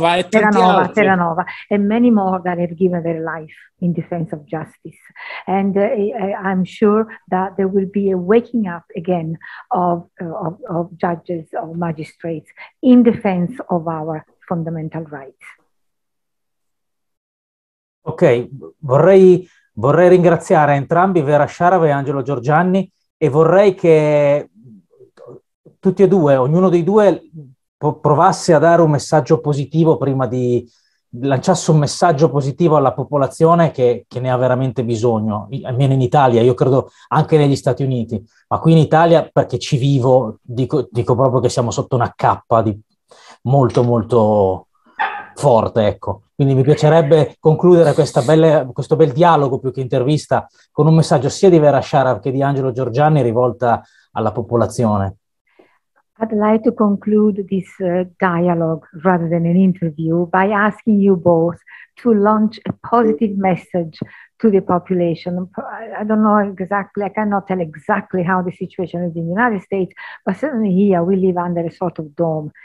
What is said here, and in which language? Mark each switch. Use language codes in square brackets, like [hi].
[en] Terranova, and many more that have given their life in defense of justice. And I'm sure that there will be a waking up again of judges, of magistrates, in defense of our fundamental rights. [it] Ok, vorrei ringraziare entrambi, Vera Sciarava e Angelo Giorgianni, e vorrei che tutti e due, ognuno dei due, provasse a dare un messaggio positivo prima di lanciasse un messaggio positivo alla popolazione che ne ha veramente bisogno, almeno in Italia, io credo anche negli Stati Uniti, ma qui in Italia, perché ci vivo, dico proprio che siamo sotto una cappa di molto molto forte, ecco. Quindi mi piacerebbe concludere questo bel dialogo, più che intervista, con un messaggio sia di Vera Sharaf che di Angelo Giorgianni rivolta alla popolazione. [en] I'd like to conclude this dialogue rather than an interview by asking you both to launch a positive message to the population. I don't know exactly, I cannot tell exactly how the situation is in the United States, but certainly here we live under a sort of dome.